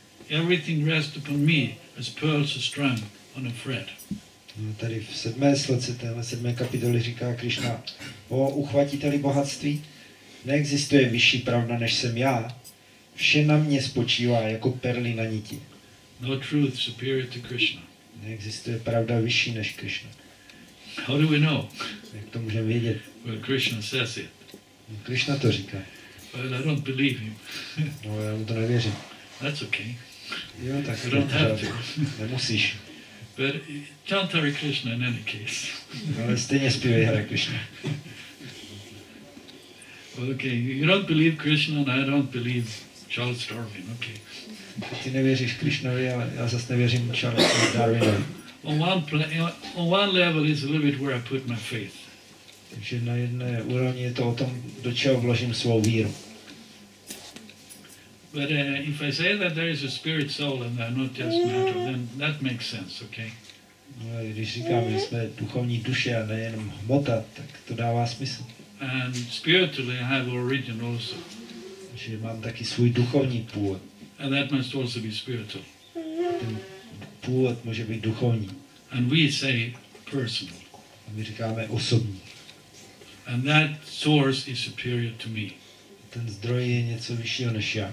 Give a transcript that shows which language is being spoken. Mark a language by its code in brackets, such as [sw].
[en] Everything rests upon me as pearls are strung on a thread. [cs] No, tady v 7. sloce, téhle 7. kapitoly říká Krishna, o uchvatiteli bohatství, neexistuje vyšší pravda než jsem já. Vše na mě spočívá jako perly na niti. [en] No truth superior to Krishna. [cs] Neexistuje pravda vyšší než Krishna. [en] How do we know? [cs] Jak to můžeme vědět? [en] Well, Krishna says it. [cs] No, Krishna to říká. [en] Well, I don't believe him. [cs] No, já mu to nevěřím. [en] That's okay. [cs] Jo, tak [en] you don't have to. [cs] Nemusíš. [en] But chant Hare Krishna in any case. [cs] No, ale stejně zpívej Hare Krishna. [en] Okay, you don't believe Krishna and I don't believe Charles Darwin, okay. [cs] Ty nevěříš Krishnovi, ale já zase nevěřím Charlesu Darwinovi. [en] On one level is a little bit where I put my faith. [cs] Takže na jedné úrovni je to o tom, do čeho vložím svou víru. [en] But if I say that there is a spirit soul and I'm not just matter, then that makes sense, okay? [cs] No, když říkám, že jsme duchovní duše a nejenom hmota, tak to dává smysl. [en] And spiritually I have origin also. [cs] Že mám taky svůj duchovní původ. [en] And that must also be spiritual. [cs] Ten původ může být duchovní. [en] And we say personal. [cs] A my říkáme osobní. [en] And that source is superior to me. [cs] Ten zdroj je něco vyššího než já.